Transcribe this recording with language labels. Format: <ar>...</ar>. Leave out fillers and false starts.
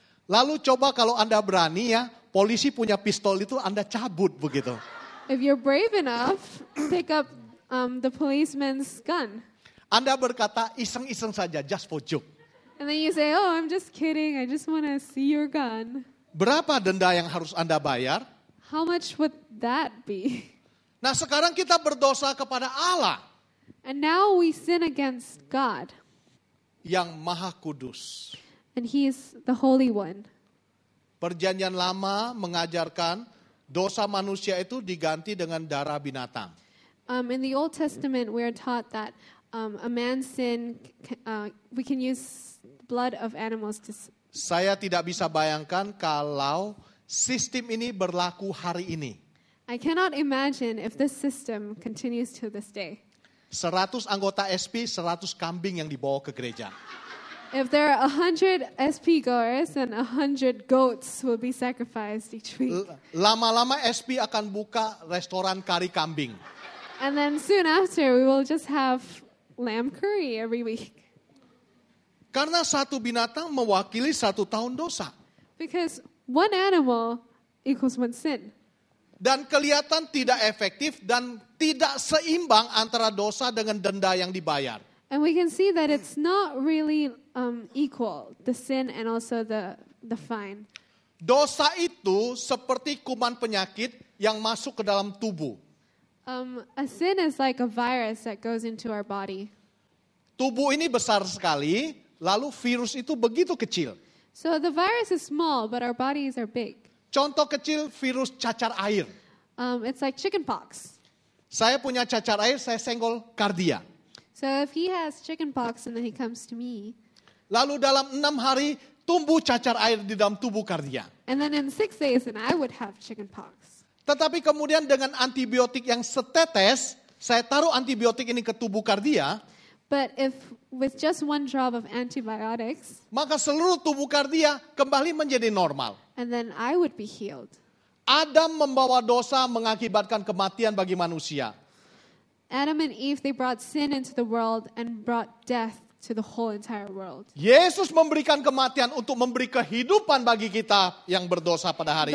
<id>Lalu coba kalau Anda berani ya, polisi punya pistol itu Anda cabut begitu.</id> <en>If you're brave enough, pick up the policeman's gun.</en> <id>Anda berkata iseng-iseng saja,</id> <en>just for joke. And then you say, oh, I'm just kidding, I just want to see your gun.</en> <id>Berapa denda yang harus Anda bayar?</id> <en>How much would that be?</en> <id>Nah, sekarang kita berdosa kepada Allah.</id> <en>And now we sin against God.</en> <id>Yang Maha Kudus.</id> <en>And he is the Holy One.</en> <id>Perjanjian Lama mengajarkan dosa manusia itu diganti dengan darah binatang.</id> <en>In the Old Testament, we are taught that a man's sin, we can use blood of animals to.</en> <id>Saya tidak bisa bayangkan kalau sistem ini berlaku hari ini.</id> <en>I cannot imagine if this system continues to this day.</en> <id>100 anggota SP, 100 kambing yang dibawa ke gereja.</id> <en>If there are 100 SP goers, then 100 goats will be sacrificed each week.</en> <id>Lama-lama SP akan buka restoran kari kambing.</id> <en>And then soon after, we will just have lamb curry every week.</en> <id>Karena satu binatang mewakili satu tahun dosa.</id> <en>Because one animal equals one sin.</en> <id>Dan kelihatan tidak efektif dan tidak seimbang antara dosa dengan denda yang dibayar.</id> <en>And we can see that it's not really equal, the sin and also the fine.</en> <id>Dosa itu seperti kuman penyakit yang masuk ke dalam tubuh.</id> <en>A sin is like a virus that goes into our body.</en> <id>Tubuh ini besar sekali, lalu virus itu begitu kecil.</id> <en>So the virus is small, but our bodies are big.</en> <id>Contoh kecil virus cacar air.</id> <en>It's like chicken pox.</en> <id>Saya punya cacar air, saya senggol kardia.</id> <en>So if he has chicken pox and then he comes to me.</en> <id>Lalu dalam 6 hari tumbuh cacar air di dalam tubuh kardia.</id> <en>And then in 6 days and I would have chicken pox.</en> <id>Tetapi kemudian dengan antibiotik yang setetes, saya taruh antibiotik ini ke tubuh kardia.</id> <en>But if with just one drop of antibiotics.</en> <id>Maka seluruh tubuh kardia kembali menjadi normal.</id> <en>And then I would be healed.</en> <id>Adam membawa dosa mengakibatkan kematian bagi manusia.</id> <en>Adam and Eve, they brought sin into the world and brought death to the whole entire world.</en> <id>Yesus memberikan kematian untuk memberi kehidupan bagi kita yang berdosa pada hari</id>